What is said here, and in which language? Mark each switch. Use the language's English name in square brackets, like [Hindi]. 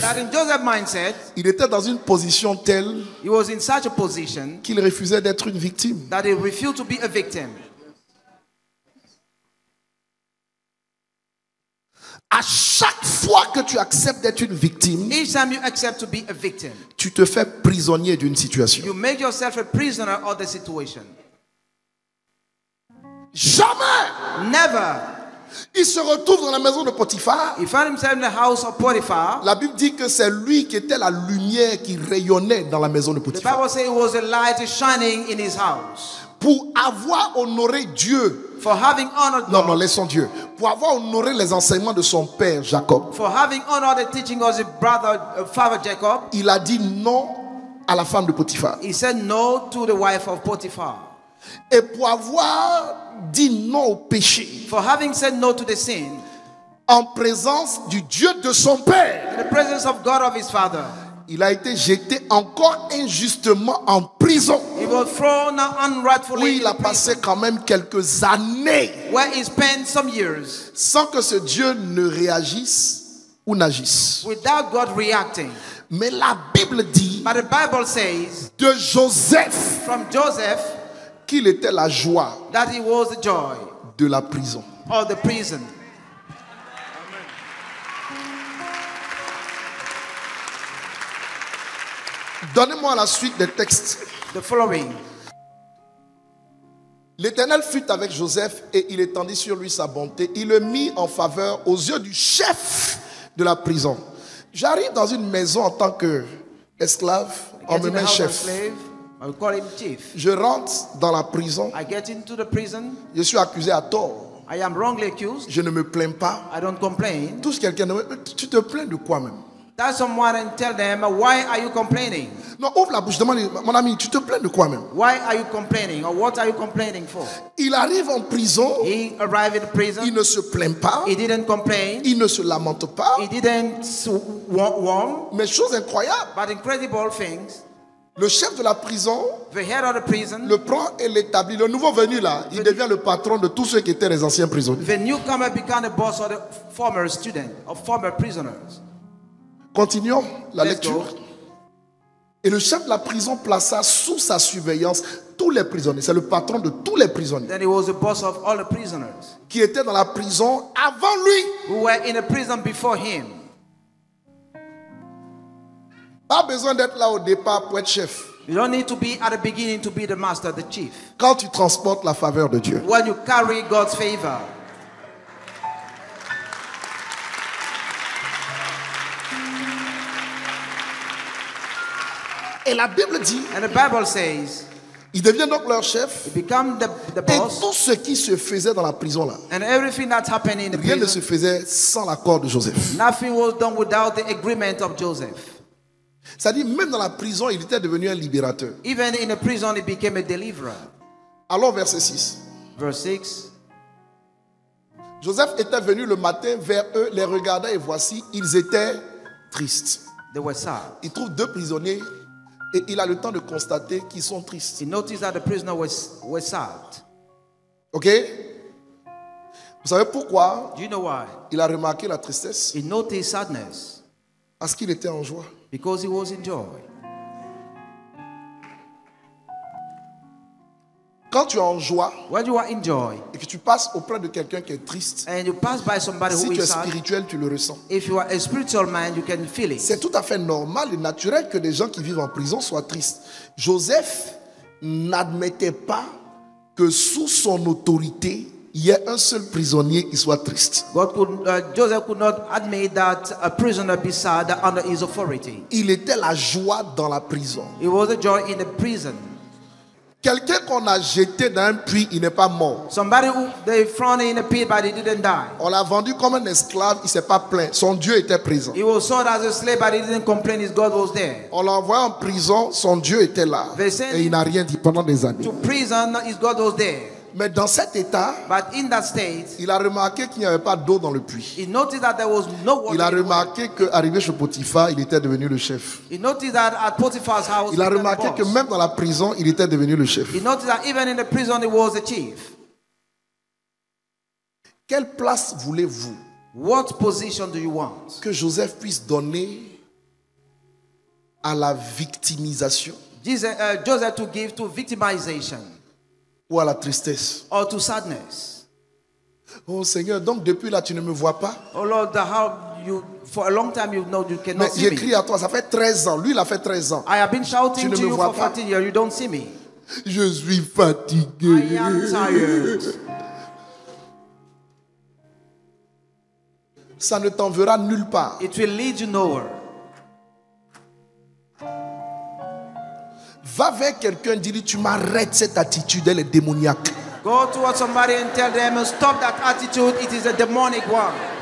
[English] that in Joseph's mindset, [French] il était dans une position telle [English] he was in such a position [French] qu'il refusait d'être une victime. [English] That he refused to be a victim. [French] À chaque fois que tu acceptes d'être une victime, [English] each time you accept to be a victim, [French] tu te fais prisonnier d'une situation. [English] You make yourself a prisoner of the situation. [French] Jamais. [English] Never. [French] Il se retrouve dans la maison de Potiphar. [English] He found himself in the house of Potiphar. [French] La Bible dit que c'est lui qui était la lumière qui rayonnait dans la maison de Potiphar. [English] The Bible says it was a light shining in his house. [French] Pour avoir honoré Dieu. [English] For having honored God. [French] Non, non, laissons Dieu. Pour avoir honoré les enseignements de son père Jacob. [English] For having honored the teaching of his brother, father Jacob. [French] Il a dit non à la femme de Potiphar. [English] He said no to the wife of Potiphar. [French] Et pour avoir dit non au péché. [English] For having said no to the sin. [French] En présence du Dieu de son père. [English] In the presence of God of his father. [French] Il a été jeté encore injustement en prison. [English] He was thrown unrightfully [French] où il a passé [English] prison. [French] Quand même quelques années. [English] Where he spent some years. [French] Sans que ce Dieu ne réagisse ou n'agisse. [English] Without God reacting. [French] Mais la Bible dit. [English] But the Bible says, [French] de Joseph. [English] From Joseph. [French] Qu'il était la joie. [English] That he was the joy. [French] De la prison. [English] Of the prison. [French] Donnez-moi la suite des textes. [English] The following. [French] L'Éternel fut avec Joseph et il étendit sur lui sa bonté. Il le mit en faveur aux yeux du chef de la prison. J'arrive dans une maison en tant qu'esclave, on me met chef. [English] I call him chief. [French] Je rentre dans la prison. [English] I get into the prison. [French] Je suis accusé à tort. [English] I am wrongly accused. [French] Je ne me plains pas. [English] I don't complain. [French] Tout ce quelqu'un demande, tu te plains de quoi même? [English] Tell someone and tell them why are you complaining? [French] Non, ouvre la bouche, demande, mon ami, tu te plains de quoi même? [English] Why are you complaining or what are you complaining for? [French] Il arrive en prison. [English] He arrived in prison. [French] Il ne se plaint pas. [English] He didn't complain. [French] Il ne se lamente pas. [English] He didn't warm. [French] Mais chose incroyable. [English] But incredible things. [French] Le chef de la prison, [English] the head of the prison, [French] le prend et l'établit. Le nouveau venu là, il devient le patron de tous ceux qui étaient les anciens prisonniers. [English] The newcomer became the boss of the former student of former prisoners. [French] Continuons la lecture. Et le chef de la prison plaça sous sa surveillance tous les prisonniers. C'est le patron de tous les prisonniers. [English] Then he was the boss of all the prisoners. [French] Qui étaient dans la prison avant lui. [English] Who were in the prison before him. [French] Pas besoin d'être là au départ pour être chef. [English] You don't need to be at the beginning to be the master, the chief. [French] Quand tu transportes la faveur de Dieu. [English] When you carry God's favor. [French] Et la Bible dit, [English] and the Bible says, [French] il devient donc leur chef. [English] He became the boss. [French] Et tout ce qui se faisait dans la prison là, [English] and everything that happened in the [French] rien [English] prison, [French] ne se faisait sans l'accord de Joseph. [English] Nothing was done without the agreement of Joseph. [French] C'est-à-dire, même dans la prison, il était devenu un libérateur. [English] Even in the prison, he became a deliverer. [French] Alors, verset 6. Joseph était venu le matin vers eux, les regarda et voici, ils étaient tristes. [English] They were sad. [French] Il trouve deux prisonniers et il a le temps de constater qu'ils sont tristes. [English] He noticed that the prisoner was sad. [French] Ok? Vous savez pourquoi? [English] Do you know why? [French] Il a remarqué la tristesse. [English] He noticed sadness. [French] Parce qu'il était en joie. [English] Because he was in joy. [French] Quand tu es en joie, [English] when you are in joy, [French] et que tu passes auprès de quelqu'un qui est triste, [English] and you pass by somebody [French] si [English] who [French] tu [English] is [French] es spirituel, tu le ressens. [English] If you are a spiritual man, you can feel it. [French] C'est tout à fait normal et naturel que des gens qui vivent en prison soient tristes. Joseph n'admettait pas que sous son autorité, il y ait un seul prisonnier qui soit triste. [English] Joseph could not admit that a prisoner be sad under his authority. [French] Il était la joie dans la prison. [English] He was a joy in the prison. [French] Quelqu'un qu'on a jeté dans un puits, il n'est pas mort. [English] Somebody who they thrown in a pit, but he didn't die. [French] On l'a vendu comme un esclave, il s'est pas plaint. Son Dieu était présent. [English] He was sold as a slave, but he didn't complain. His God was there. [French] On l'a envoyé en prison, son Dieu était là, et il n'a rien dit pendant des années. [English] To prison, his God was there. [French] Mais dans cet état, [English] but in that state, [French] il a remarqué qu'il n'y avait pas d'eau dans le puits. [English] He noticed that there was no water. [French] Il a remarqué que arrivé chez Potiphar, il était devenu le chef. [English] He noticed that at Potiphar's house, [French] il a remarqué que même dans la prison, il était devenu le chef. [English] He noticed that even in the prison, he was the chief. [French] Quelle place voulez-vous? [English] What position do you want? [French] Que Joseph puisse donner à la victimisation. [English] Joseph to give to victimization. [French] Ou à la tristesse. [English] Or to sadness. [French] Oh Seigneur, donc depuis là tu ne me vois pas. [English] Oh Lord, how you for a long time you know you cannot [French] mais [English] see me. [French] Mais j'écris à toi, ça fait 13 ans. Lui, il a fait 13 ans. [English] I have been shouting to you for 13 years. You don't see me. [French] Je suis fatigué. [English] I am tired. [French] Ça ne t'enverra nulle part. [English] It will lead you nowhere. [French] Va vers quelqu'un, dis-lui, tu m'arrêtes cette attitude, elle est démoniaque. [English] Go towards somebody and tell them, stop that attitude, it is a demonic one.